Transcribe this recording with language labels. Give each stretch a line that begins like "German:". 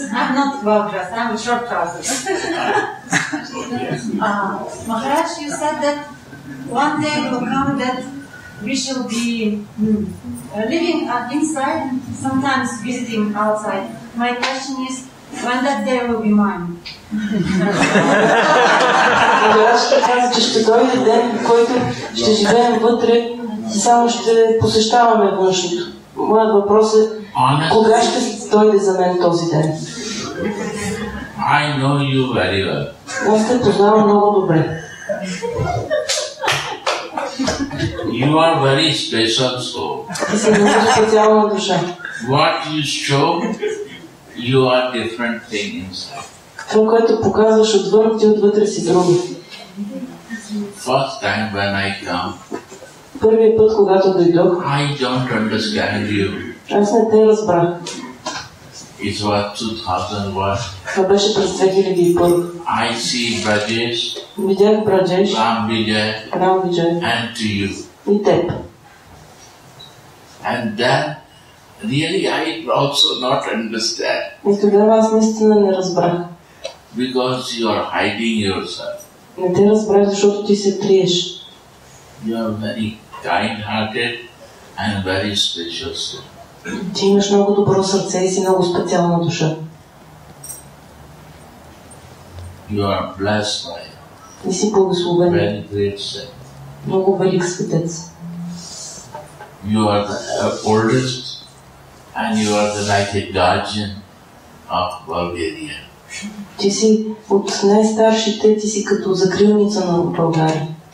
English: I'm not well dressed, I'm in short trousers. Махарадж, you said that one day will come that we shall be living inside, sometimes visiting outside. My question is, when that day will be mine?
Bulgarian: Махарадж каза, че ще дойде ден, в който ще живеем вътре и само ще посещаваме външния. Моят въпрос е, кога ще дойде за мен този ден?
English: I know you very well.
Bulgarian: Аз те познавам много добре.
English: You are very special soul.
Bulgarian: Ти си много специална душа.
English: What you show, you are different thing inside.
Bulgarian: Това, което показваш отвън, ти отвътре си други.
English: First time when I come.
Bulgarian: Първият път, когато дойдох.
English: I don't understand you.
Bulgarian: Аз не те разбрах.
English: It was 2001.
Bulgarian: Това беше през 2001.
English: I see Brajesh.
Bulgarian: Видях Брадеш.
English: Рам Виджай. And to you.
Bulgarian: И теб.
English: And then, really I also not understand.
Bulgarian: И тогава аз наистина не разбрах.
English: Because you are hiding yourself.
Bulgarian: Не те разбрах, защото ти се криеш.
English: You are very kind-hearted and very special soul.
Bulgarian: Ти имаш много добро сърце и си много специална душа.
English: You are blessed by
Bulgarian: ти си благословен.
English: Very great saint.
Bulgarian: Много велик светец.
English: You are the oldest and you are the like a guardian of Bulgaria.
Bulgarian: Ти си от най-старшите, ти си като закрилница на България.